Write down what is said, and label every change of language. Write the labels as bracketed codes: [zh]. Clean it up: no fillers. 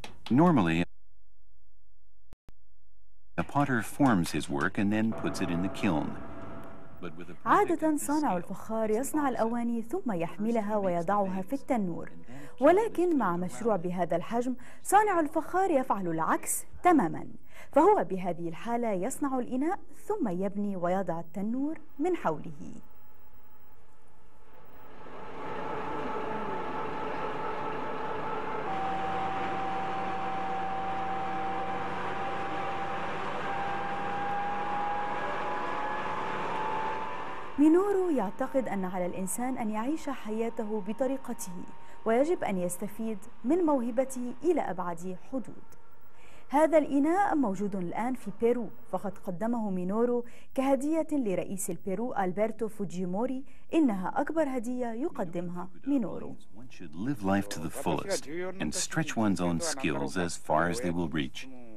[en] Normally, a potter forms his work and then puts it in the kiln. [ar] عادة صانع الفخار يصنع الأواني ثم يحملها ويضعها في التنور، ولكن مع مشروع بهذا الحجم صانع الفخار يفعل العكس تماما، فهو بهذه الحالة يصنع الإناء ثم يبني ويضع التنور من حوله. مينورو يعتقد أن على الإنسان أن يعيش حياته بطريقته، ويجب أن يستفيد من موهبته إلى أبعد حدود. هذا الإناء موجود الآن في بيرو، فقد قدمه مينورو كهدية لرئيس البيرو ألبرتو فوجيموري. إنها أكبر هدية يقدمها مينورو. [en] One should live life to the fullest and stretch one's own skills as far as they will reach.